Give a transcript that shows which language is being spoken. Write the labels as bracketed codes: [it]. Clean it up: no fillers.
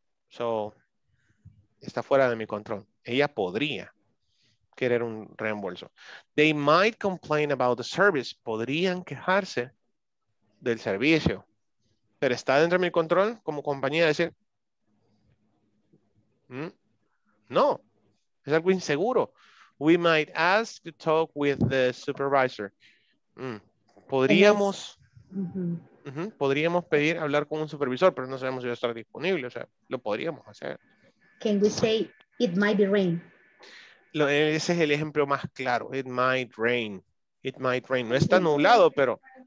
[es] So, está fuera de mi control. Ella podría querer un reembolso. [en] They might complain about the service. [es] Podrían quejarse del servicio. Pero está dentro de mi control como compañía decir, no, es algo inseguro. [en] We might ask to talk with the supervisor. [es] Podríamos, podríamos pedir hablar con un supervisor, pero no sabemos si va a estar disponible. O sea, lo podríamos hacer. [en] Can we say it might be rain? [es] Ese es el ejemplo más claro. [en] It might rain. It might rain. [es] No está nublado, pero...